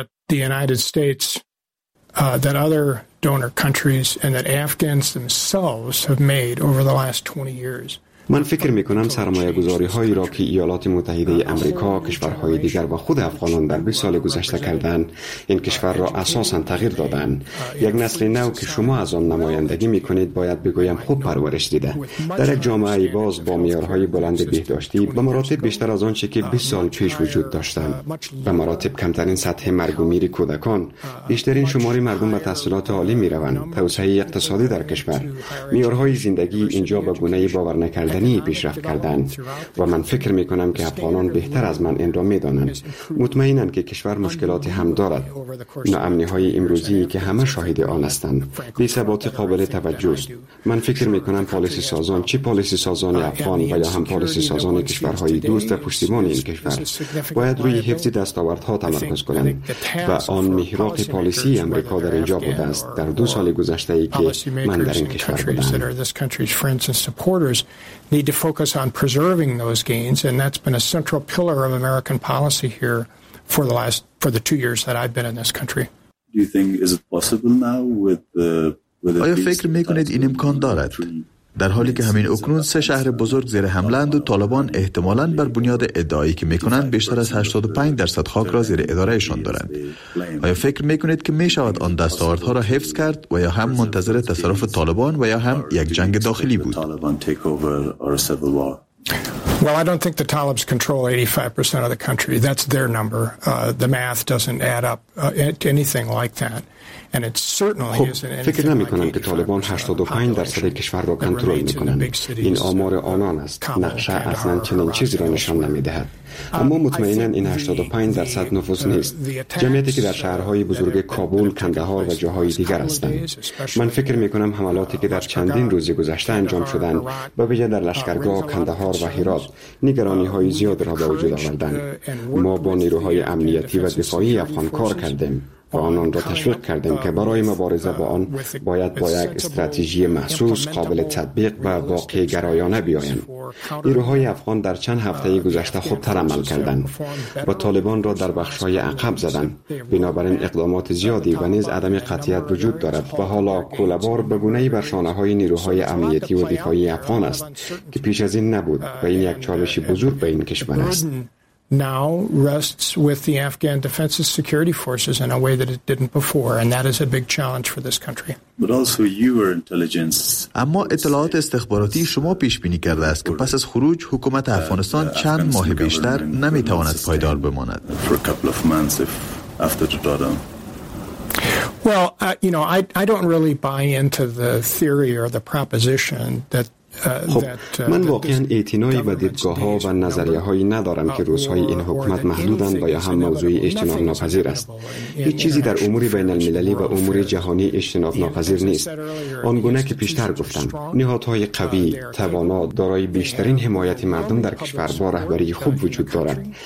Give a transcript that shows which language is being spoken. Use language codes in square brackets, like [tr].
[en] The United States, that other donor countries, and that Afghans themselves have made over the last 20 years. [fa] من فکر میکنم سرمایه گذاری هایی را که ایالات متحده آمریکا، کشورهای دیگر و خود افغانان در 20 سال گذشته کردند، این کشور را اساساً تغییر دادند. یک نسل نو که شما از آن نمایندگی میکنید باید بگویم خوب پرورش دیده. در یک جامعه باز با معیارهای بلند بهداشتی به مراتب بیشتر از آنچه که 20 سال پیش وجود داشتند، به مراتب کمترین سطح مرگ و میر کودکان، بیشترین شماری مردم به تحصیلات عالی میروند، توسعه اقتصادی در کشور، معیارهای زندگی اینجا به گونه‌ای باور نکردنی پیشرفت کردند و من فکر می کنم که افغانان بهتر از من این را می دانند. مطمئنند که کشور مشکلاتی هم دارد. ناامنی های امروزی که همه شاهد آن هستند، بی ثبات قابل توجه است. من فکر می کنم پالیسی سازان، چه پالیسی سازان افغان و یا هم پالیسی سازان کشورهای دوست و پشتیبان این کشور، باید روی حفظ دستاوردها تمرکز کنند و آن محراق پالیسی آمریکا در اینجا بوده است در دو سال گذشته ای که من در این کشور بودم. [en] Need to focus on preserving those gains, and that's been a central pillar of American policy here for the 2 years that I've been in this country. Do you think is it possible now with the? [fa] آیا فکر میکنید این امکان دارد؟ در حالی که همین اکنون سه شهر بزرگ زیر حمله اند و طالبان احتمالاً بر بنیاد ادعایی که میکنند بیشتر از 85% خاک را زیر ادارهشان دارند. آیا فکر میکنید که میشود آن دستاوردها را حفظ کرد و یا هم منتظر تصرف طالبان و یا هم یک جنگ داخلی بود؟ [en] Well, I don't think the Talibs control 85% of the country. That's their number. The math doesn't add up to anything like that. And it certainly [fa] خب، فکر نمی کنم که طالبان 85% کشور را کنترل می کنند. این آمار آنان است. نقشه اصلا چنین چیزی را نشان نمی دهد. اما مطمئنن این 85% نفوذ نیست. جمعیتی که در شهرهای بزرگ کابل، کندهار و جاهای دیگر هستند. من فکر می کنم حملاتی که در چندین روز گذشته انجام شدند، به ویژه در لشکرگاه، کندهار و هرات، نگرانی های زیاد را به وجود آوردند. ما با نیروهای امنیتی و دفاعی افغان کار کردیم. و آنان را تشویق کردیم که برای مبارزه با آن باید با یک استراتژی محسوس قابل تطبیق و واقع گرایانه بیایند. نیروهای افغان در چند هفته گذشته خوبتر عمل کردند و طالبان را در بخش‌های عقب زدند. بنابراین اقدامات زیادی و نیز عدم قطعیت وجود دارد و حالا کولبار به گونه‌ای بر شانه‌های نیروهای امنیتی و دفاعی افغان است که پیش از این نبود و این یک چالش بزرگ به این کشور است. [en] Now rests with the Afghan Defense's security forces in a way that it didn't before, and that is a big challenge for this country. But also your intelligence. [fa] اما اطلاعات استخباراتی شما پیش بینی کرده است که پس از خروج حکومت افغانستان چند ماه بیشتر نمیتواند پایدار بماند. [en] For a couple of months after the drawdown. Well, I don't really buy into the theory or the proposition that [fa] خب من واقعا اعتنایی به دیدگاه ها و نظریه هایی ندارم که روزهای این حکومت محدودند و یا هم موضوعی اجتناب ناپذیر است. هیچ چیزی در امور بین المللی و امور جهانی اجتناب ناپذیر نیست. آنگونه که پیشتر گفتم، نهادهای قوی، توانا، دارای بیشترین حمایت مردم در کشور با رهبری خوب وجود دارد.